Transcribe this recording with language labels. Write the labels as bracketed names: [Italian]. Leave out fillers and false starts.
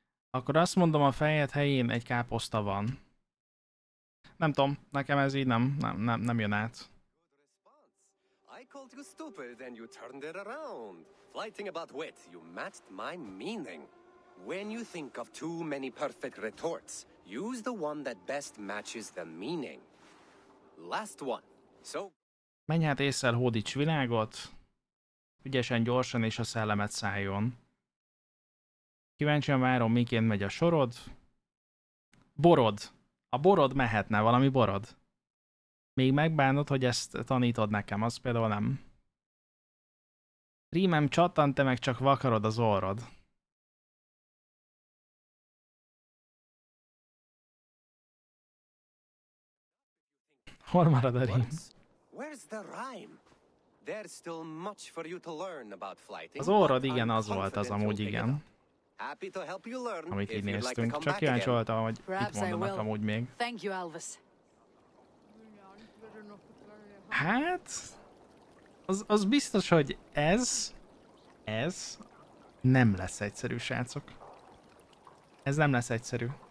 [Hungarian] Akkor azt mondom, a fejed helyén egy káposzta van. Nem tudom, nekem ez így nem jön át. [English] I called you stupid and you turned it around. Flighting about wit, you matched my meaning. When you think of too many perfect retorts, use the one that best matches the meaning. Last one. [Hungarian] So menj hát ésszel, hódíts világot. Ügyesen, gyorsan és a szellemet szálljon. Kíváncsian várom, miként megy a sorod. Borod. A borod mehetne, valami borod. Még megbánod, hogy ezt tanítod nekem, az például nem. Rímem csattant, te meg csak vakarod az orrod. Hol marad a rím? [English] Where's the rhyme? There's still much for you to learn about flighting. [Hungarian] Az orrod, igen, az volt az, amúgy igen. [English] Happy to help you learn. [Hungarian] Amit így néztünk. Csak kíváncsi voltam, hogy mit mondanak amúgy még. [English] Thank you, [Hungarian] Alvis. Hát, az biztos, hogy ez nem lesz egyszerű, srácok. Ez nem lesz egyszerű.